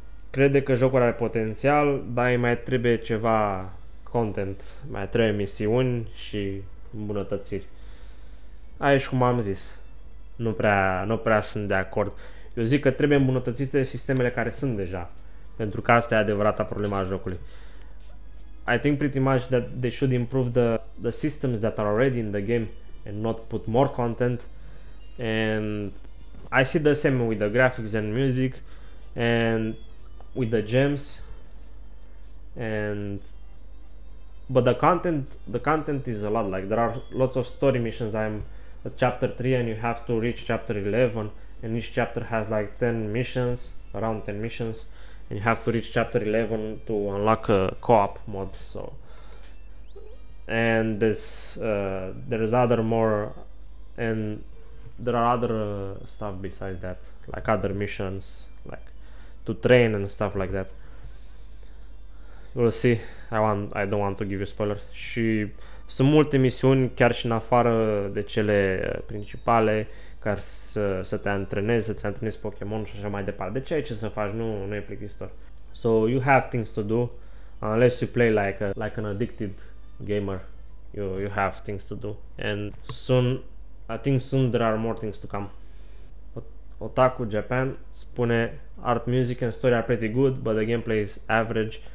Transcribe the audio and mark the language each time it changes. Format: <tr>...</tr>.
<ro>Crede că jocul are potențial, dar îi mai trebuie ceva content, mai trebuie misiuni și îmbunătățiri. Aici cum am zis, nu prea sunt de acord. Eu zic că trebuie îmbunătățite sistemele care sunt deja, pentru că asta e adevărata problema a jocului.</ro> <en>I think pretty much that they should improve the systems that are already in the game and not put more content. And I see the same with the graphics and music and with the gems. But the content is a lot. Like, there are lots of story missions. I'm at chapter 3 and you have to reach chapter 11, and each chapter has like 10 missions, around 10 missions, and you have to reach chapter 11 to unlock a co-op mod. So, and there are other stuff besides that, like other missions, like to train and stuff like that. We'll see. I don't want to give you spoilers.</en> <ro>Și sunt multe misiuni chiar și în afară de cele principale, care să te antrenezi, să te antrenezi Pokémon și așa mai departe. Deci ai ce să faci, nu e plictisitor.</ro> <en>So you have things to do unless you play like an addicted gamer. You have things to do. And soon, I think soon there are more things to come. Otaku Japan spune: art, music and story are pretty good, but the gameplay is average.</en>